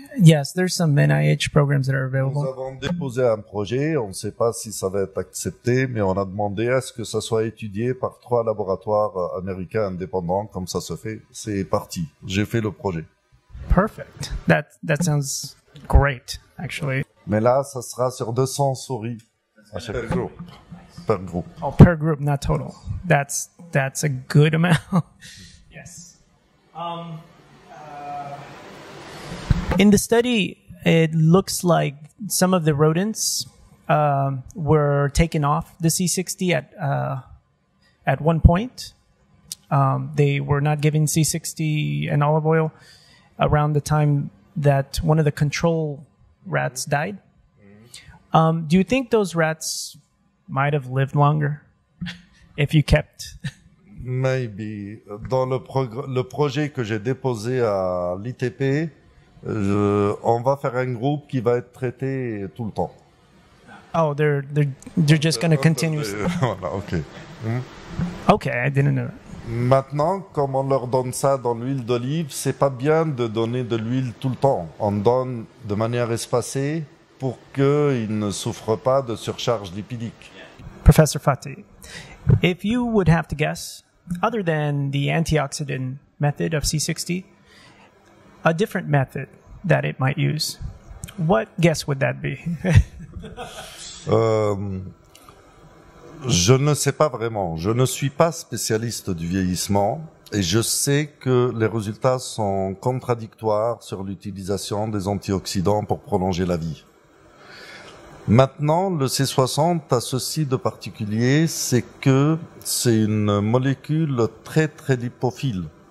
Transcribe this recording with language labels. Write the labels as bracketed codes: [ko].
[en] Yes, there's some NIH programs that are available. [fr] Nous avons déposé un projet, on ne sait pas si ça va être accepté, mais on a demandé à ce que ça soit étudié par trois laboratoires américains indépendants, comme ça se fait. C'est parti, j'ai fait le projet. [en] Perfect, that sounds great, actually. [fr] Mais là, ça sera sur 200 souris à chaque per groupe. Per groupe. [en] Oh, per group, not total. That's a good amount. Yes. In the study, it looks like some of the rodents were taken off the C60 at at one point. They were not giving C60 and olive oil around the time that one of the control rats died. Do you think those rats might have lived longer if you kept... Maybe. [fr] Dans le projet que j'ai déposé à l'ITP, on va faire un groupe qui va être traité tout le temps. [en] Oh, they're just going to continue. [fr] Voilà, okay. [en] Okay, I didn't know that. [fr] Maintenant, comme on leur donne ça dans l'huile d'olive, c'est pas bien de donner de l'huile tout le temps. On donne de manière espacée pour qu'ils ne souffrent pas de surcharge lipidique. [en] Professor Fathi, if you would have to guess, other than the antioxidant method of C60, a different method that it might use, what guess would that be? [fr] Je ne sais pas vraiment. Je ne suis pas spécialiste du vieillissement et je sais que les résultats sont contradictoires sur l'utilisation des antioxydants pour prolonger la vie. Maintenant, le C60 a ceci de particulier, c'est que c'est une molécule très très lipophile.